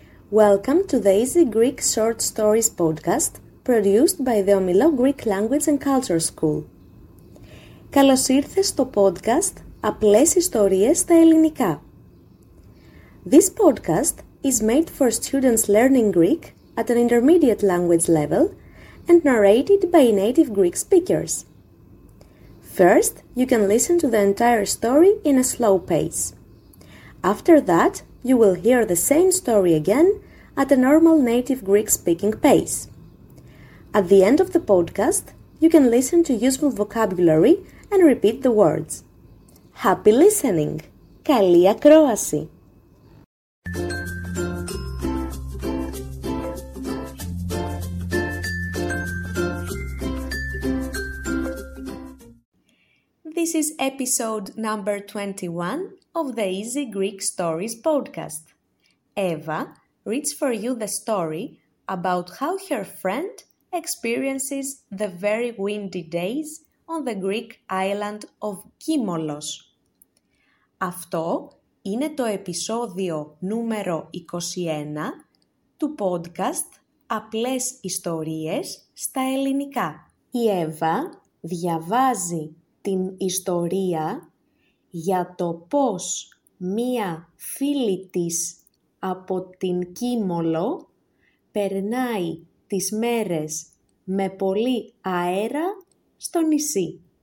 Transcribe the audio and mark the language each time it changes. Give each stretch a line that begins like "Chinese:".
English: Welcome to the Easy Greek Short Stories podcast produced by the Omilo Greek Language and Culture School.
Greek: Καλώς ήρθες στο podcast «Απλές ιστορίες στα ελληνικά».
English: This podcast is made for students learning Greek at an intermediate language level and narrated by native Greek speakers. First, you can listen to the entire story in a slow pace. After that, you will hear the same story again at a normal native Greek speaking pace. At the end of the podcast, you can listen to useful vocabulary and repeat the words. Happy listening!
Greek: Καλή ακρόαση!
English: This is episode number 21 of the Easy Greek Stories podcast. Eva reads for you the story about how her friend experiences the very windy days on the Greek island of Kimolos.
Greek: Αυτό είναι το επεισόδιο νούμερο 21 του podcast «Απλές ιστορίες στα ελληνικά». Η Εύα διαβάζει την ιστορία για το πώς μία φίλη της από την Κύμολο περνάει τις μέρες με πολύ αέρα στο νησί.